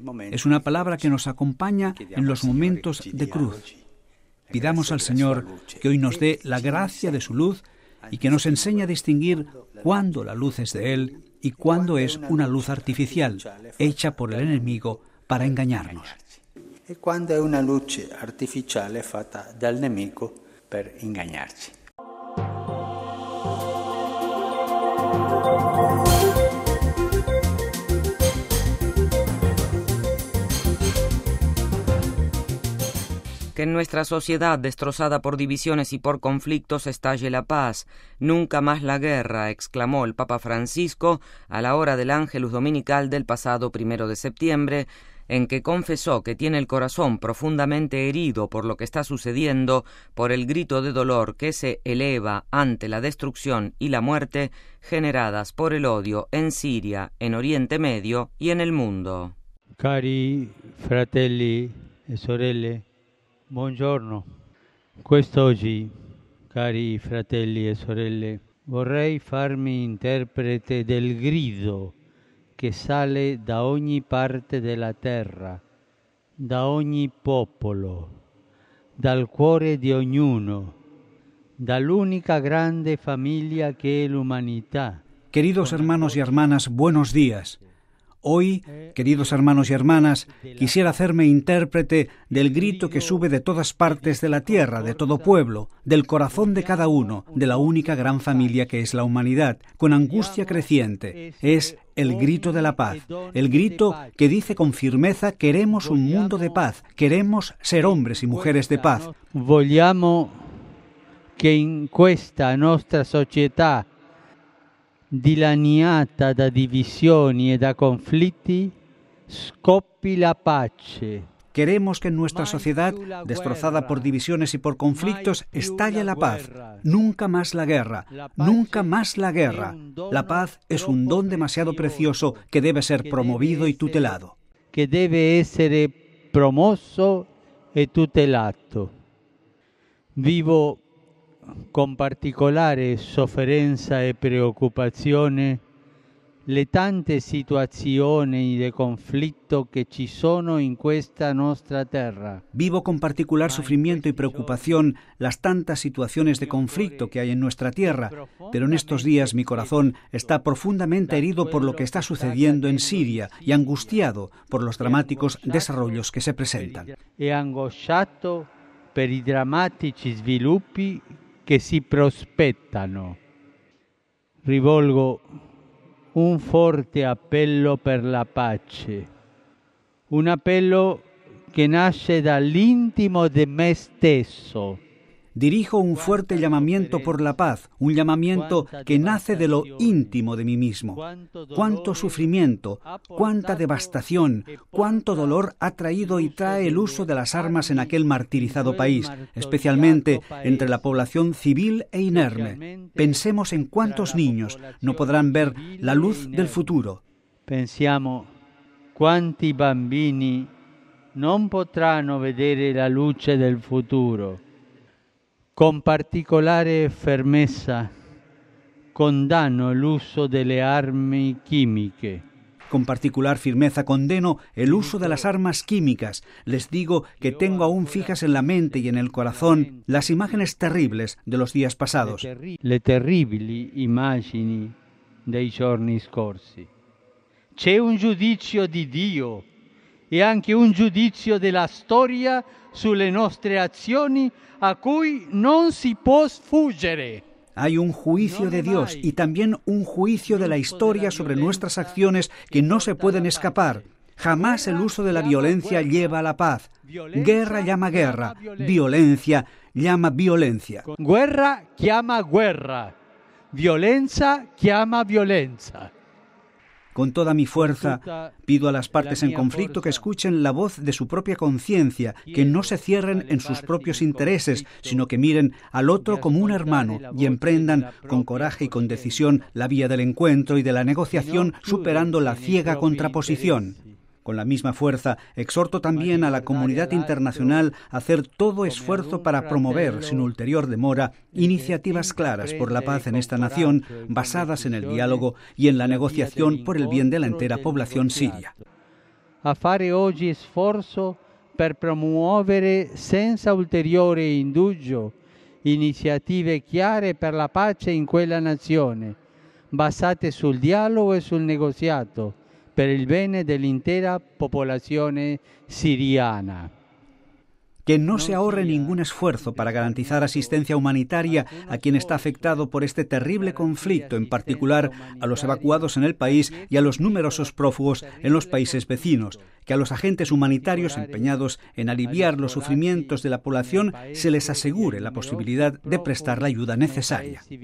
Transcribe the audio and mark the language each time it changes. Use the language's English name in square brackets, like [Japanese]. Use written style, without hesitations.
[Spanish] Es una palabra que nos acompaña en los momentos de cruz. Pidamos al Señor que hoy nos dé la gracia de su luz y que nos enseñe a distinguir cuándo la luz es de Él y cuándo es una luz artificial, hecha por el enemigo para engañarnos. [Italian] E quando è una luce artificiale fatta dal nemico per ingannarci. [Spanish] Que en nuestra sociedad destrozada por divisiones y por conflictos estalle la paz, nunca más la guerra, exclamó el Papa Francisco a la hora del Ángelus Dominical del pasado 1 de septiembre, en que confesó que tiene el corazón profundamente herido por lo que está sucediendo, por el grito de dolor que se eleva ante la destrucción y la muerte generadas por el odio en Siria, en Oriente Medio y en el mundo. [Italian] Cari fratelli e sorelle, buongiorno. Quest'oggi, cari fratelli e sorelle, vorrei farmi interprete del grido che sale da ogni parte della terra, da ogni popolo, dal cuore di ognuno, dall'unica grande famiglia che è l'umanità. [Spanish] Queridos hermanos y hermanas, buenos días. Hoy, queridos hermanos y hermanas, quisiera hacerme intérprete del grito que sube de todas partes de la tierra, de todo pueblo, del corazón de cada uno, de la única gran familia que es la humanidad, con angustia creciente. Es el grito de la paz, el grito que dice con firmeza: queremos un mundo de paz, queremos ser hombres y mujeres de paz. [Italian] Vogliamo che in questa nostra società dilaniata da divisioni e da conflitti scoppi la pace. [Spanish] Queremos que en nuestra sociedad, destrozada por divisiones y por conflictos, estalle la paz. Nunca más la guerra. Nunca más la guerra. La paz es un don demasiado precioso que debe ser promovido y tutelado. Que debe ser [Italian] promosso e tutelato. Vivo con particolare sofferenza e preoccupazione le tante situazioni di conflitto che ci sono in questa nostra terra. [Spanish] Vivo con particular sufrimiento y preocupación las tantas situaciones de conflicto que hay en nuestra tierra, pero en estos días mi corazón está profundamente herido por lo que está sucediendo en Siria y angustiado por los dramáticos desarrollos que se presentan. [Italian] E angosciato per i drammatici sviluppi che si prospettano. Rivolgo un forte appello per la pace, un appello che nasce dall'intimo di me stesso. [Spanish] Dirijo un fuerte llamamiento por la paz, un llamamiento que nace de lo íntimo de mí mismo. ¿Cuánto sufrimiento, cuánta devastación, cuánto dolor ha traído y trae el uso de las armas en aquel martirizado país, especialmente entre la población civil e inerme? Pensemos en cuántos niños no podrán ver la luz del futuro. Pensemos cuántos [Italian] bambini [Spanish] no podrán ver la luz del futuro. [Italian] Con particolare fermezza condanno l'uso delle armi chimiche. [Spanish] Con particular firmeza condeno el uso de las armas químicas. Les digo que tengo aún fijas en la mente y en el corazón las imágenes terribles de los días pasados. [Italian] Le terribili immagini dei giorni scorsi. C'è un giudizio di Dio e anche un giudizio della storia sulle nostre azioni a cui non si può sfuggire. [Spanish] Hay un juicio de Dios y también un juicio de la historia sobre nuestras acciones que no se pueden escapar. Jamás el uso de la violencia lleva a la paz. Guerra llama guerra, violencia llama violencia. Guerra llama guerra, violencia llama violencia. Con toda mi fuerza, pido a las partes en conflicto que escuchen la voz de su propia conciencia, que no se cierren en sus propios intereses, sino que miren al otro como un hermano y emprendan con coraje y con decisión la vía del encuentro y de la negociación, superando la ciega contraposición. Con la misma fuerza, exhorto también a la comunidad internacional a hacer todo esfuerzo para promover, sin ulterior demora, iniciativas claras por la paz en esta nación, basadas en el diálogo y en la negociación por el bien de la entera población siria. [Italian] A fare oggi esforzo per promuovere senza ulteriore indugio iniziative chiare per la pace in quella nazione, basate sul dialogo e sul negoziato. Per il bene dell'intera popolazione siriana. [Spanish] Que no se ahorre ningún esfuerzo para garantizar asistencia humanitaria a quien está afectado por este terrible conflicto, en particular a los evacuados en el país y a los numerosos prófugos en los países vecinos. Que a los agentes humanitarios empeñados en aliviar los sufrimientos de la población se les asegure la posibilidad de prestar la ayuda necesaria.